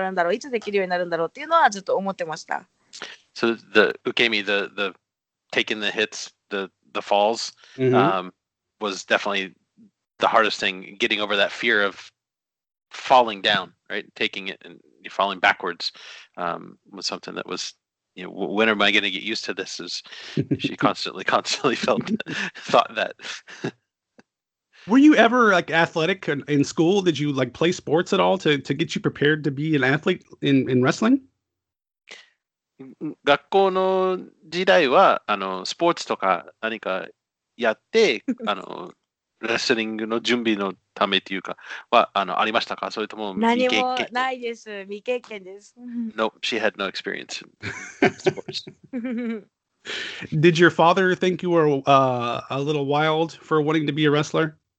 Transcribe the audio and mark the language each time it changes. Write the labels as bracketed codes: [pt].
[ja] いや、受け身だと思います。やっぱり人が立ってる状態から後ろに倒れるっていうことへの恐怖が想像の何倍も怖かったし、できないものなので、受け身っていつか取れるようになるって思えなかったですね。まあ今はあれですけど、これはいつ恐怖がなくなるんだろう、いつできるようになるんだろうっていうのはずっと思ってました。 [en] So the 受け身, the taking the hits, the falls was definitely the hardest thing, getting over that fear of falling down, right? Taking it and falling backwards was something that was, you know, when am I going to get used to this? Is she constantly felt thought that. Were you ever like athletic in school? Did you like play sports at all to get you prepared to be an athlete in wrestling? [ja] 学校の時代はスポーツとか何かやって、 レスリングの準備のためっていうかは、ありましたか? それとも未経験?何もないです。未経験です。 [en] Nope, she had no experience in sports. Did your father think you were a little wild for wanting to be a wrestler?